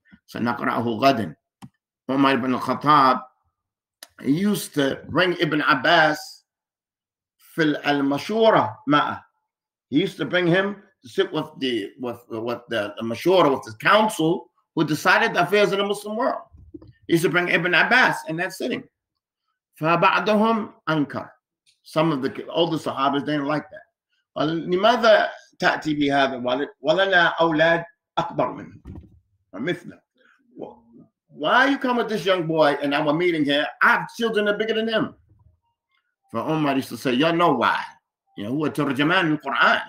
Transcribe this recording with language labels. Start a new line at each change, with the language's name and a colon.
Arabic: سنقرأه غدا. عمر بن الخطاب
English: He used to bring Ibn Abbas
Arabic: في المشورة معه.
English: He used to bring him to sit with the مشورة, with the council who decided the affairs of the Muslim world. He used to bring Ibn Abbas in that sitting.
Arabic: فبعضهم أنكر.
English: Some of the older Sahabas didn't like that.
Arabic: قال لماذا تأتي بهذا الوالد ولنا أولاد أكبر منه مثله.
English: Why you come with this young boy and our meeting here? I have children that are bigger than him. For Umar used to say, you know why. You know, who are turjaman in the Quran.